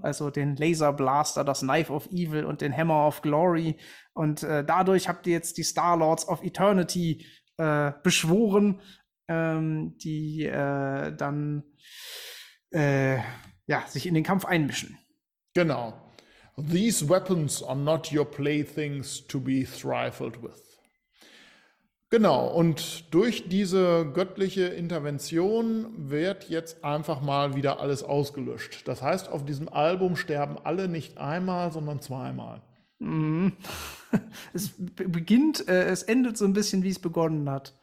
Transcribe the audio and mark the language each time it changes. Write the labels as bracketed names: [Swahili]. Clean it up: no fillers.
[German] Also den Laser Blaster, das Knife of Evil und den Hammer of Glory. Und dadurch habt ihr jetzt die Star Lords of Eternity beschworen. Die dann ja, sich in den Kampf einmischen. Genau. [English] These weapons are not your playthings to be trifled with. [German] Genau, und durch diese göttliche Intervention wird jetzt einfach mal wieder alles ausgelöscht. Das heißt, auf diesem Album sterben alle nicht einmal, sondern zweimal. Es beginnt, es endet so ein bisschen, wie es begonnen hat.